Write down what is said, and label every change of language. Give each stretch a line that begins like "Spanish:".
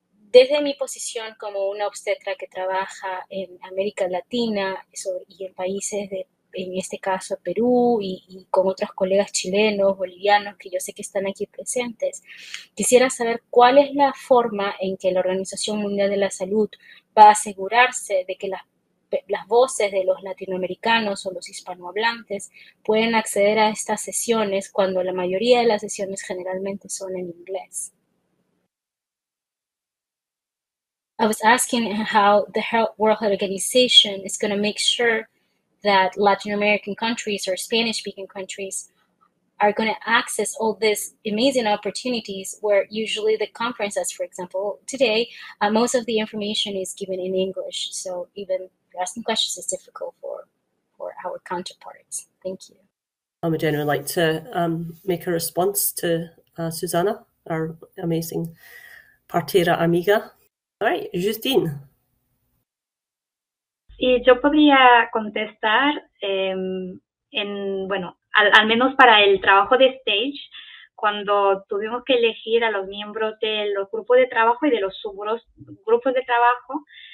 Spanish: Desde mi posición como una obstetra que trabaja en América Latina y en países de, en este caso, Perú y con otros colegas chilenos, bolivianos, que yo sé que están aquí presentes, quisiera saber cuál es la forma en que la Organización Mundial de la Salud va a asegurarse de que las voces de los latinoamericanos o los hispanohablantes pueden acceder a estas sesiones cuando la mayoría de las sesiones generalmente son en inglés.
English: I was asking how the World Health Organization is going to make sure that Latin American countries or Spanish-speaking countries are going to access all these amazing opportunities where usually the conferences, for example, today, most of the information is given in English. So even asking questions is difficult for our counterparts. Thank you. I would generally like to make a response to Susanna, our amazing
Spanish: partera amiga.
English: All right, Justine.
Spanish: Sí, yo podría contestar al menos para el trabajo de stage, cuando tuvimos que elegir a los miembros de los grupos de trabajo y de los subgrupos de trabajo.